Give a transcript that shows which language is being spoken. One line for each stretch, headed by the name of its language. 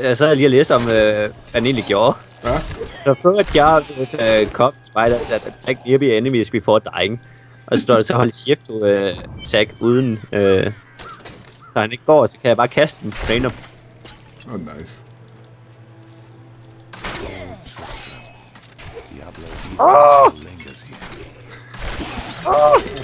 Danish: Jeg sad lige og læste om hvad han egentlig gjorde. Ja.
English: The third jar with a cop spider that attacked nearby enemies before dying.
Danish: Og så står der så hold shift to attack uden så han ikke går, så kan jeg bare kaste den random.
English: Oh, nice. Åh!